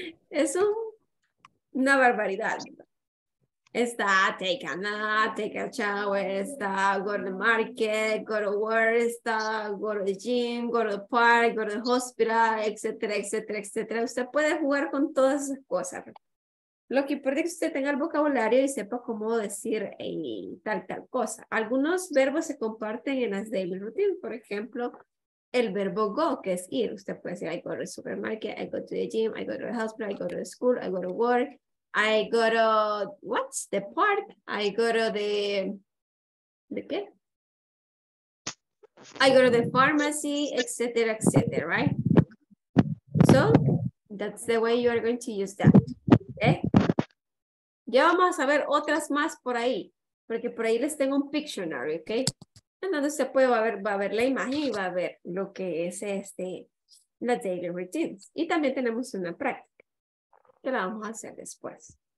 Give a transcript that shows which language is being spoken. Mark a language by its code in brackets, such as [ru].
[es] Es una barbaridad. Está, [en] take a nap, take a shower, está, go to the market, go to work, está, go to the gym, go to the park, go to the hospital, etcétera, etcétera, etcétera. [es] Usted puede jugar con todas esas cosas. Lo que importa es que usted tenga el vocabulario y sepa cómo decir tal cosa. Algunos verbos se comparten en las daily routines. Por ejemplo, el verbo go, que es ir. Usted puede decir, [en] I go to the supermarket, I go to the gym, I go to the hospital, I go to the school, I go to work. I go to, what's the park? I go to the ¿qué? I go to the pharmacy, etcétera, etcétera, right? So, that's the way you are going to use that, okay? [es] Ya vamos a ver otras más por ahí, porque por ahí les tengo un Pictionary, okay? Entonces se puede va a ver la imagen y va a ver lo que es la daily routines. Y también tenemos una práctica. Que la vamos a hacer después.